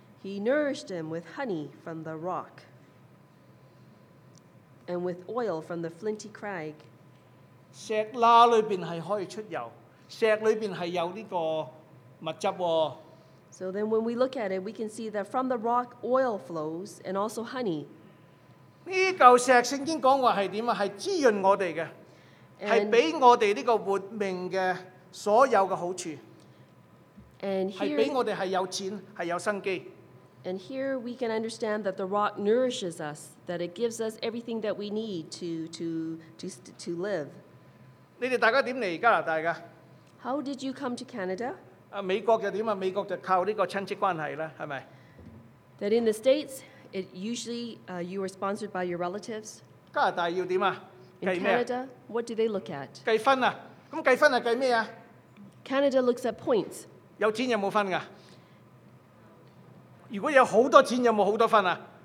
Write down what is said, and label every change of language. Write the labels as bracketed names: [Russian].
[English] He nourished him with honey from the rock and with oil from the flinty crag. [Cantonese] 石罅里边系可以出油，石里边系有呢个物质喎。 [English] So then, when we look at it, we can see that from the rock, oil flows and also honey. [Cantonese] 呢嚿石圣经讲话系点啊？系滋润我哋嘅，系俾我哋呢个活命嘅所有嘅好处。 [English] And here, [Cantonese] 系俾我哋系有钱，系有生机。 [English] And here we can understand that the rock nourishes us, that it gives us everything that we need to live. [Cantonese] 你哋大家點嚟加拿大㗎? [English] How did you come to Canada? [Cantonese] 啊，美國就點啊？美國就靠呢個親戚關係啦，係咪? [English] That in the States, it usually you are sponsored by your relatives. [Cantonese] 加拿大要點啊? [English] In Canada, what do they look at? [Cantonese] 計分啊，咁計分係計咩啊? [English] Canada looks at points. [Cantonese] 有錢有冇分㗎? [English] If you have a lot of money, you have a lot of fun.